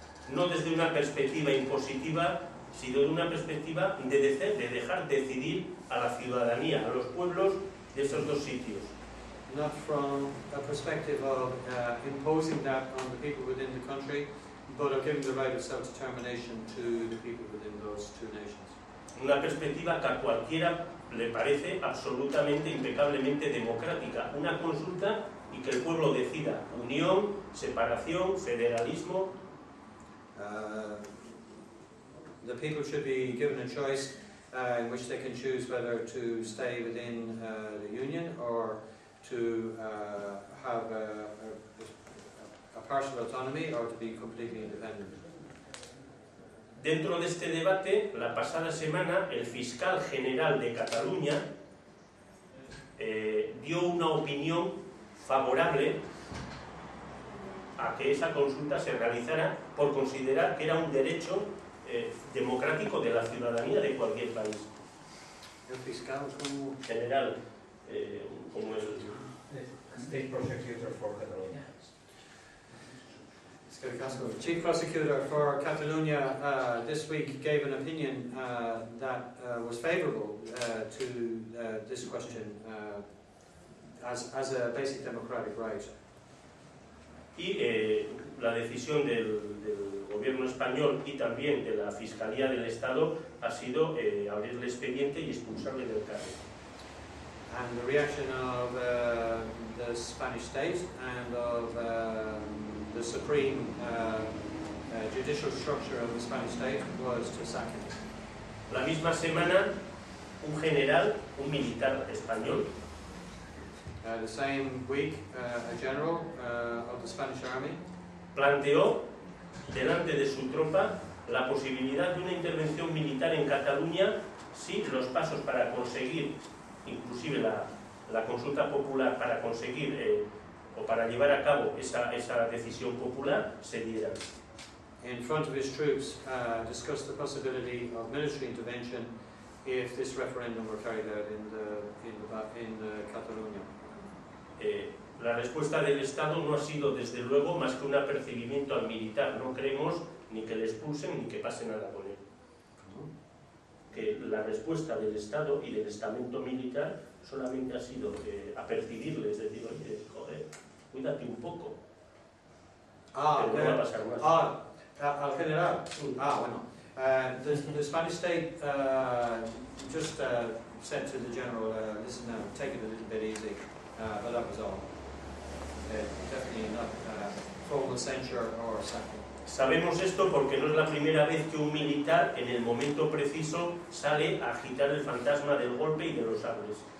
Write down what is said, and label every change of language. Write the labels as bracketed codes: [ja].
[es] No desde una perspectiva impositiva, sino de una perspectiva de dejar decidir a la ciudadanía, a los pueblos de esos dos sitios. [en] Not from a perspective of imposing that on the people within the country, but of giving the right of self-determination to the people within those two nations. [es] Una perspectiva que a cualquiera le parece absolutamente, impecablemente democrática. Una consulta y que el pueblo decida. Unión, separación, federalismo. [en] The people should be given a choice in which they can choose whether to stay within the union or to have a partial autonomy or to be completely independent. [es] Dentro de este debate, la pasada semana, el fiscal general de Cataluña dio una opinión favorable a que esa consulta se realizara por considerar que era un derecho democrático de la ciudadanía de cualquier país. El fiscal como... general, como el... [en] State Prosecutor for Catalonia. The Chief Prosecutor for Catalonia this week gave an opinion that was favourable to this question as a basic democratic right. [es] Y la decisión del gobierno español y también de la Fiscalía del Estado ha sido abrir el expediente y expulsarle del cargo. [en] And the reaction of the Spanish state and of the supreme judicial structure of the Spanish state was to sack him. [es] La misma semana, un general, un militar español. [en] The same week, a general of the Spanish army [es] planteó delante de su tropa la posibilidad de una intervención militar en Cataluña si los pasos para conseguir, inclusive la consulta popular para conseguir o para llevar a cabo esa decisión popular, se diera. [en] In front of his troops, discussed the possibility of military intervention if this referendum were carried out in the Catalonia. [es] La respuesta del Estado no ha sido, desde luego, más que un apercibimiento al militar. No creemos ni que le expulsen ni que pase nada con él. Que la respuesta del Estado y del estamento militar solamente ha sido apercibirle, es decir, oye, joder, cuídate un poco. Ah, que no va a pasar más. Al general. Ah, bueno. [en] The Spanish state just said to the general, listen, now, take it a little bit easy, but that was all. Definitely not formal censure or sacking. [es] Sabemos esto porque no es la primera vez que un militar, en el momento preciso, sale a agitar el fantasma del golpe y de los sables.